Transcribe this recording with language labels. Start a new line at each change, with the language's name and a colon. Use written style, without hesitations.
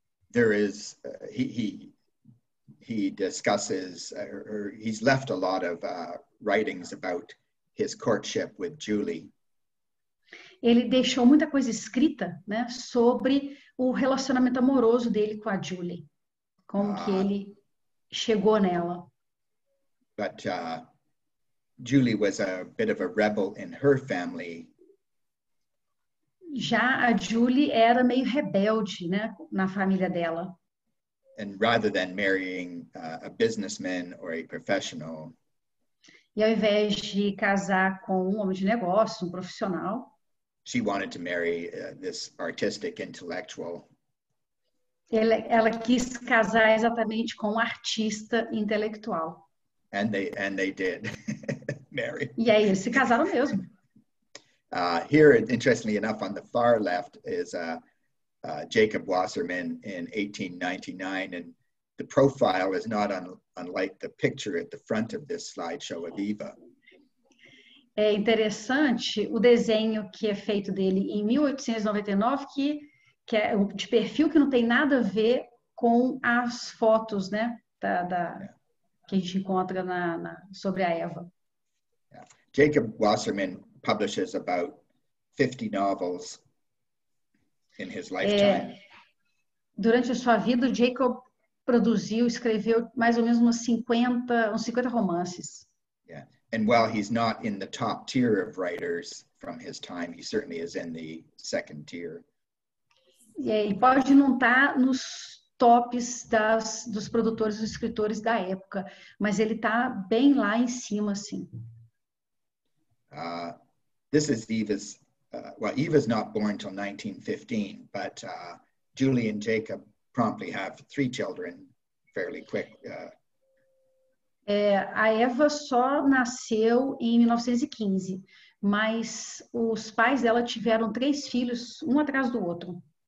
English: there is he discusses or he's left a lot of writings about his courtship with Julie.
Portuguese: Ele deixou muita coisa escrita, né, sobre o relacionamento amoroso dele com a Julie, como que ele chegou nela.
English: But Julie was a bit of a rebel in her family.
Portuguese: Já a Julie era meio rebelde, né, na família dela.
English: And rather than marrying a businessman or a professional,
Portuguese: e ao invés de casar com um homem de negócio, um profissional,
English: she wanted to marry this artistic intellectual.
Portuguese: Ela quis casar exatamente com um artista intelectual.
English: And they did marry.
Portuguese: E aí eles se casaram mesmo.
English: Here, interestingly enough, on the far left is Jacob Wasserman in 1899, and the profile is not unlike the picture at the front of this slideshow of Eva.
Portuguese: É interessante o desenho que é feito dele em 1899, que é de perfil que não tem nada a ver com as fotos, né, que a gente encontra sobre a Eva.
English: Yeah. Jacob Wasserman publishes about 50 novels in his lifetime.
Portuguese: Durante a sua vida, Jacob escreveu mais ou menos uns 50 romances.
English: Yeah. And while he's not in the top tier of writers from his time, he certainly is in the second tier.
Portuguese: Ele pode não estar nos tops dos produtores, dos escritores da época, mas ele está bem lá em cima, sim.
English: This is Eva's, Eva's not born till 1915, but Julie and Jacob promptly have three children fairly quick.
Portuguese: A Eva só nasceu em 1915, mas os pais dela tiveram três filhos, um atrás do outro.